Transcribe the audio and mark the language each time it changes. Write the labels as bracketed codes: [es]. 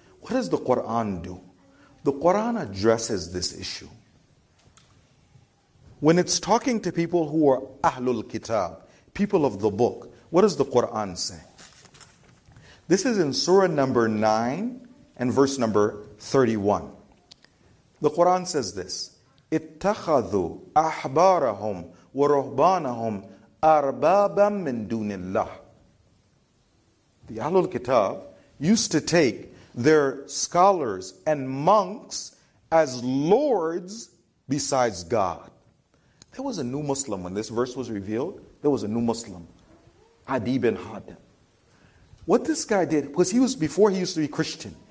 [en] What does the Quran do? The Quran addresses this issue. When it's talking to people who are Ahlul Kitab, people of the book, what does the Quran say? This is in Surah number 9 and verse number 31. The Quran says this, [ar] اتخذوا أحبارهم ورهبانهم أربابا من دون الله. [en] The Ahlul Kitab used to take their scholars and monks as lords besides God. There was a new Muslim when this verse was revealed. There was a new Muslim, Adi bin Hatim. What this guy did was before he used to be Christian.